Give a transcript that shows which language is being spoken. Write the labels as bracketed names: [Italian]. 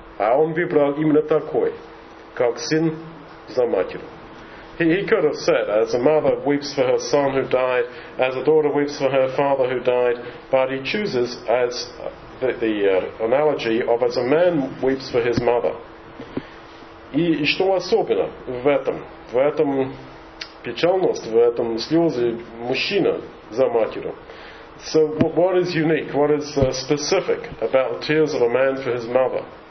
[Russian] А он выбрал именно такой, как сын за матерью. [English] He could have said, as a mother weeps for her son who died, as a daughter weeps for her father who died, but he chooses as the analogy of as a man weeps for his mother. [Russian] И что особенно в этом печальность, в этом слезы мужчина за матерью? [English] So what is unique, what is specific about the tears of a man for his mother?